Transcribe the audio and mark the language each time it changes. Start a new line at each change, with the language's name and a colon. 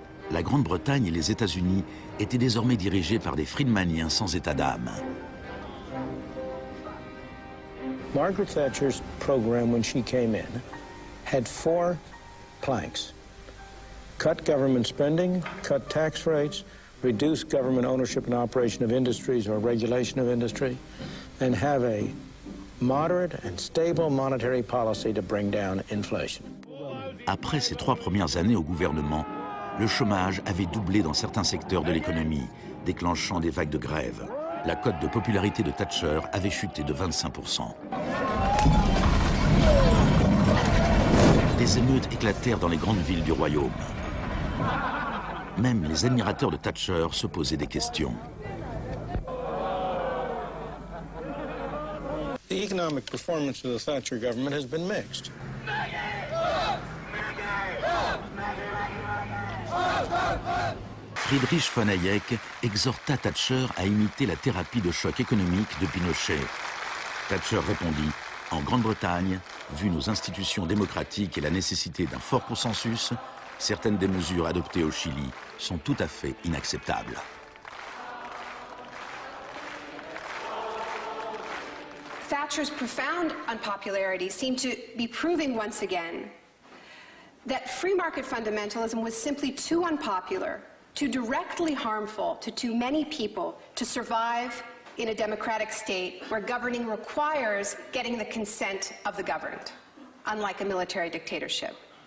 French: La Grande-Bretagne et les États-Unis étaient désormais dirigés par des Friedmaniens sans état d'âme.
English: Margaret Thatcher's program when she came in had four planks: cut government spending, cut tax rates, reduce government ownership and operation of industries or regulation of industry, and have a moderate and stable monetary policy to bring down inflation.
French: Après ses trois premières années au gouvernement, le chômage avait doublé dans certains secteurs de l'économie, déclenchant des vagues de grève. La cote de popularité de Thatcher avait chuté de 25%. Des émeutes éclatèrent dans les grandes villes du royaume. Même les admirateurs de Thatcher se posaient des questions.
English: The economic performance of the Thatcher government has been mixed.
French: Friedrich von Hayek exhorta Thatcher à imiter la thérapie de choc économique de Pinochet. Thatcher répondit : « En Grande-Bretagne, vu nos institutions démocratiques et la nécessité d'un fort consensus, certaines des mesures adoptées au Chili sont tout à fait inacceptables. »
English: Thatcher's profound unpopularity seemed to be proving once again that free market fundamentalism was simply too unpopular, too directly harmful to too many people to survive in a democratic state where governing requires getting the consent of the governed, unlike a military dictatorship.